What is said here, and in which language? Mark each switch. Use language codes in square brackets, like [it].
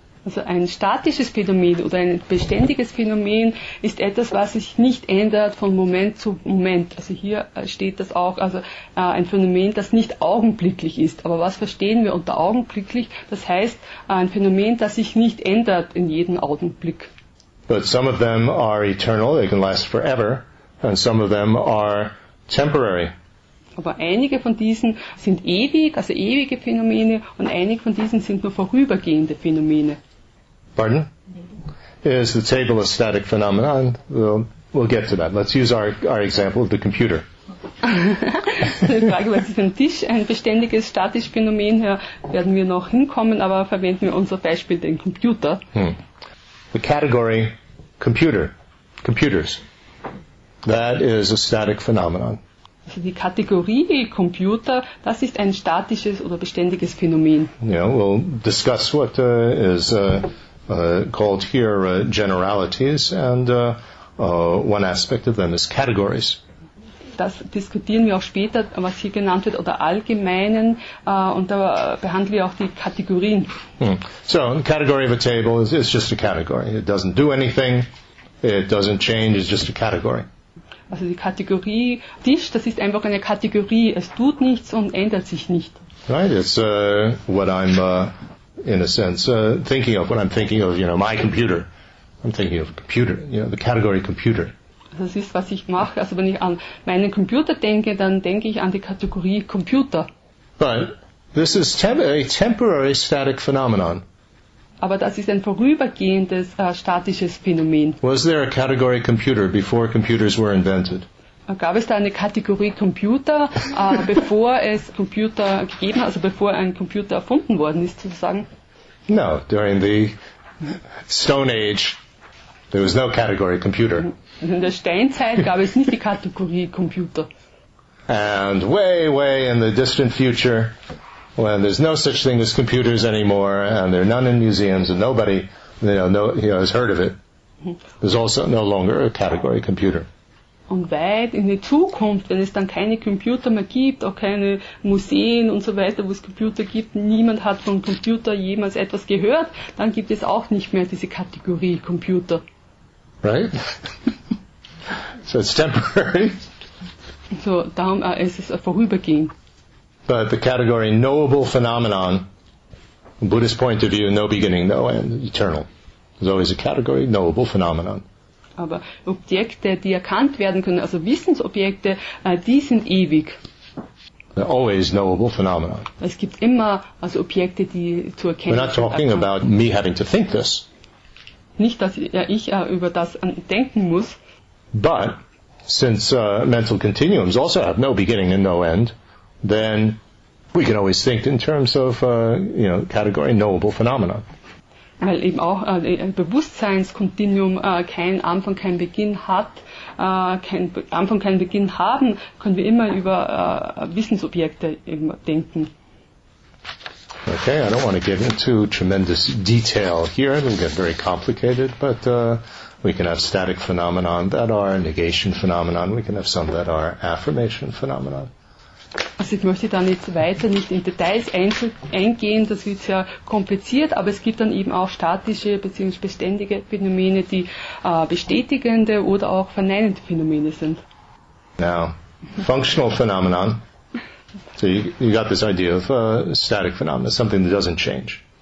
[de] Also ein statisches Phänomen oder ein beständiges Phänomen ist etwas, was sich nicht ändert von Moment zu Moment. Also hier steht das auch, also ein Phänomen, das nicht augenblicklich ist. Aber was verstehen wir unter augenblicklich? Das heißt, ein Phänomen, das sich nicht ändert in jedem Augenblick. [en] But some of them are eternal, they can last forever. And some of them are temporary. [de] Aber einige von diesen sind ewig, also ewige Phänomene, und einige von diesen sind nur vorübergehende Phänomene. [en] Pardon? Is the table a static phenomenon? We'll get to that. Let's use our example of the computer. [de] Die Frage, was ist ein Tisch, ein beständiges, statisches Phänomen? Ja, werden wir noch hinkommen, aber verwenden wir unser Beispiel, den Computer. [en] The category computer, computers. That is a static phenomenon. [de] Also die Kategorie Computer, das ist ein statisches oder beständiges Phänomen. [en] Yeah, we'll discuss what is called here generalities, and one aspect of them is categories. [de] Das diskutieren wir auch später, was hier genannt wird, oder allgemeinen, und da behandeln wir auch die Kategorien. [en] So, a category of a table is just a category. It doesn't do anything, it doesn't change, it's just a category. [de] Also die Kategorie Tisch, das ist einfach eine Kategorie. Es tut nichts und ändert sich nicht. [en] Right, it's what I'm, in a sense, thinking of. What I'm thinking of, you know, my computer. I'm thinking of a computer, you know, the category computer. [de] Das ist, was ich mache. Also wenn ich an meinen Computer denke, dann denke ich an die Kategorie Computer. [en] But this is a temporary static phenomenon. [de] Aber das ist ein vorübergehendes statisches Phänomen. [en] Was there a category computer before computers were invented? [de] Gab es da eine Kategorie Computer, bevor es Computer gegeben hat, also bevor ein Computer erfunden worden ist, sozusagen? [en] No, during the Stone Age, there was no category computer. [de] In der Steinzeit gab es nicht die Kategorie Computer. [en] And way, way in the distant future, when there's no such thing as computers anymore, and there are none in museums, and nobody, you know, has heard of it, there's also no longer a category computer. [de] Und weit in die Zukunft, wenn es dann keine Computer mehr gibt, auch keine Museen und so weiter, wo es Computer gibt, niemand hat von Computer jemals etwas gehört, dann gibt es auch nicht mehr diese Kategorie Computer. [en] Right? So it's temporary. [de] So, darum ist es vorübergehend. [en] But the category knowable phenomenon, from Buddhist point of view, no beginning, no end, eternal. There's always a category, knowable phenomenon. [de] Aber Objekte, die erkannt werden können, also Wissensobjekte, die sind ewig. [en] They're always knowable phenomenon. [de] Es gibt immer also Objekte, die zu erkennen. [en] We're not talking about me having to think this. [de] Nicht, dass ich über das denken muss. [en] But since mental continuums also have no beginning and no end, then we can always think in terms of, you know, category knowable phenomena. [de] Weil eben auch ein Bewusstseinskontinuum keinen Anfang, keinen Beginn hat, keinen Anfang, keinen Beginn haben, können wir immer über Wissensobjekte denken. [en] Okay, I don't want to get into tremendous detail here. It'll get very complicated, but we can have static phenomena that are negation phenomena. We can have some that are affirmation phenomena. [de] Also ich möchte da nicht weiter nicht in Details eingehen, das wird sehr kompliziert, aber es gibt dann eben auch statische bzw. beständige Phänomene, die bestätigende oder auch verneinende Phänomene sind. [en] Now, functional phenomenon. So you got this idea of static phenomena, something that doesn't change.